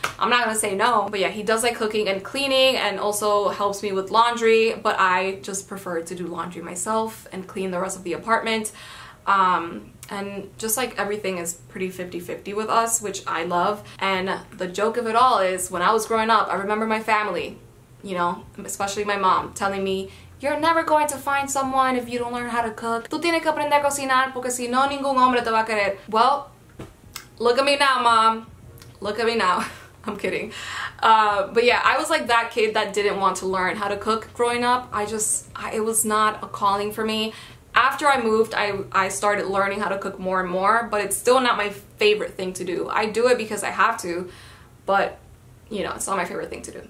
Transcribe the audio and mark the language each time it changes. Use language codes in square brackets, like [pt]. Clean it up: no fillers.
[en] I'm not gonna say no, but yeah, he does like cooking and cleaning and also helps me with laundry, but I just prefer to do laundry myself and clean the rest of the apartment. And just like everything is pretty 50-50 with us, which I love. And the joke of it all is when I was growing up, I remember my family, you know, especially my mom, telling me, you're never going to find someone if you don't learn how to cook. [es] Tú tienes que aprender a cocinar porque si no, ningún hombre te va a querer. [en] Well, look at me now, mom. Look at me now. I'm kidding. But yeah, I was like that kid that didn't want to learn how to cook growing up. It was not a calling for me. After I moved, I started learning how to cook more and more, but it's still not my favorite thing to do. I do it because I have to, but you know, it's not my favorite thing to do.